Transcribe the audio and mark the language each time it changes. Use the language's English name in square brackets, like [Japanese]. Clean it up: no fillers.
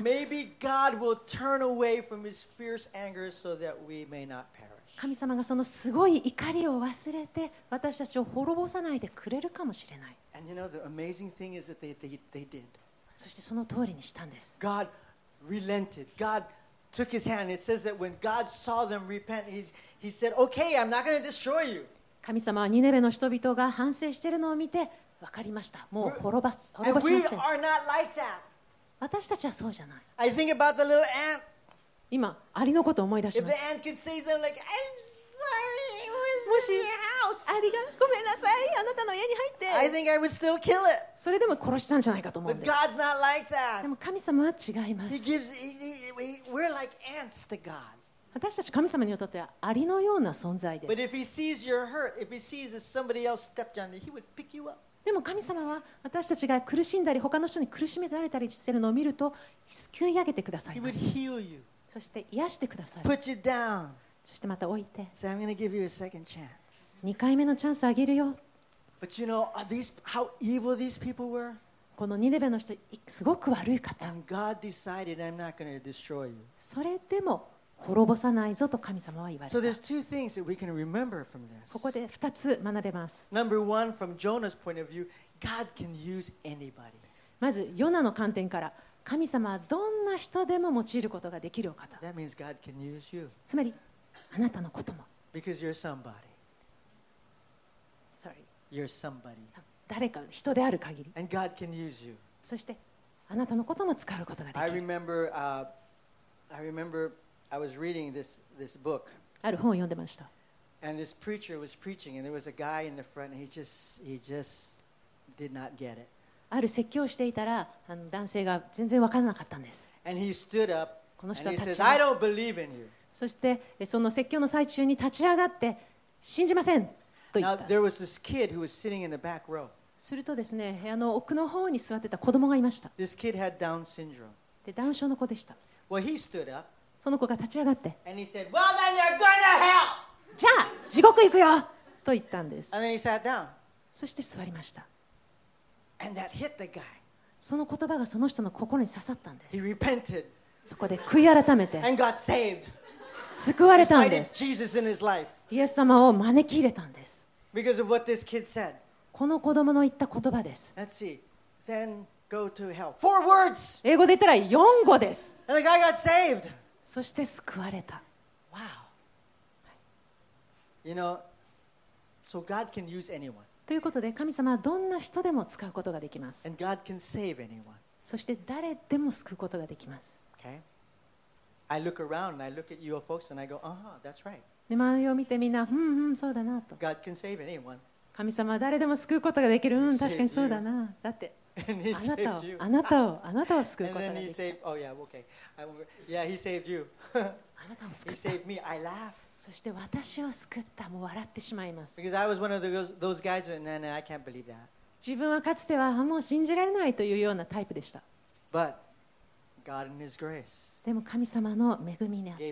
[English] Maybe God will turn away from his fierce anger so that we may not perish. [Japanese] 神様がそのすごい怒りを忘れて私たちを滅ぼさないでくれるかもしれない。 [English] And you know the amazing thing is that they did. [Japanese] そしてその通りにしたんです。 [English] God relented. GodTook his hand. It says that when God saw them repent, he said, "Okay, I'm not going to destroy you." [Japanese] 神様はニネベの人々が反省しているのを見て、分かりました。もう滅ぼしません。 [English] And we are not like that. [Japanese] 私たちはそうじゃない。 [English] I think about the little ant. [Japanese] 今アリのことを思い出します。 [English] If the ant could say something like, "I'm sorry, it was your house." [Japanese] アリがごめんなさい、あなたの家に入って。 [English] I think I would still kill it. [Japanese] それでも殺したんじゃないかと思うんです。 [English] But God's not like that. [Japanese] でも神様は違います。 [English] We're like ants to God. [Japanese] 私たち神様にとってはアリのような存在です。 [English] But if he sees your hurt, if he sees that somebody else stepped on it, he would pick you up. [Japanese] でも神様は私たちが苦しんだり他の人に苦しめられたりしているのを見ると救い上げてくださいます。 [English] He would heal you. [Japanese] そして癒してください。 [English] Put you down. [Japanese] そしてまた置いて。 [English] So I'm going to give you a second chance. [Japanese] 2回目のチャンスあげるよ。 [English] But you know how evil these people were? [Japanese] このニネベの人すごく悪い方。 [English] And God decided, I'm not going to destroy you. [Japanese] それでも滅ぼさないぞと神様は言われた。 [English] So there's two things that we can remember from this. [Japanese] ここで2つ学べます。 [English] Number one, from Jonah's point of view, God can use anybody. [Japanese] まずヨナの観点から、神様はどんな人でも用いることができるお方。 [English] That means God can use you. [Japanese] つまりあなたのことも。 [English] Because you're somebody. Sorry. You're somebody. [Japanese] 誰か人である限り、 [English] And God can use you. [Japanese] そしてあなたのことも使うことができる。 [English] I remember, I remember I was reading this book. [Japanese] ある本を読んでました。 [English] And this preacher was preaching, and there was a guy in the front, and he just did not get it. [Japanese] ある説教をしていたら、男性が全然分からなかったんです。 [English] And he stood up, [Japanese] この人は立ち上がって、 [English] and he says, "I don't believe in you." [Japanese] そしてその説教の最中に立ち上がって、信じません。 [English] Now there was this kid who was sitting in the back row. [Japanese] するとですね、部屋の奥の方に座ってた子供がいました。 [English] This kid had Down syndrome. [Japanese] で、ダウン症の子でした。 [English] Well, he stood up. [Japanese] その子が立ち上がって。 [English] And he said, "Well, then you're going to hell." [Japanese] じゃあ地獄行くよと言ったんです。 [English] And then he sat down. [Japanese] そして座りました。 [English] And that hit the guy. [Japanese] その言葉がその人の心に刺さったんです。 [English] He repented. [Japanese] そこで悔い改めて。 [English] And got saved. [Japanese] 救われたんです。 [English] Jesus in his life. [Japanese] イエス様を招き入れたんです。 [English] Because of what this kid said. [Japanese] この子供の言った言葉です。 [English] Let's see. Then go to hell. Four words. [Japanese] 英語で言ったら4語です。 [English] And the guy got saved. [Japanese] そして救われた。 [English] Wow. You know, so God can use anyone. [Japanese] ということで神様はどんな人でも使うことができます。 [English] And God can save anyone. [Japanese] そして誰でも救うことができます。 [English] Okay. I look around and I look at you folks and I go, uh-huh, that's right. [Japanese] 周りを見てみんな、うんうん、そうだなと。 [English] God can save anyone. [Japanese] 神様は誰でも救うことができる。うん、確かにそうだな。だって、あなたを救うことができる。 [English] Oh, yeah, okay. Yeah, he saved you. [Japanese] あなたを救った。 [English] He saved me. I laugh. [Japanese] そして私を救った。もう笑ってしまいます。 [English] Because I was one of those guys who said, "I can't believe that." [Japanese] 自分はかつてはもう信じられないというようなタイプでした。 [English] But God in His grace. [Japanese] でも神様の恵みにあって。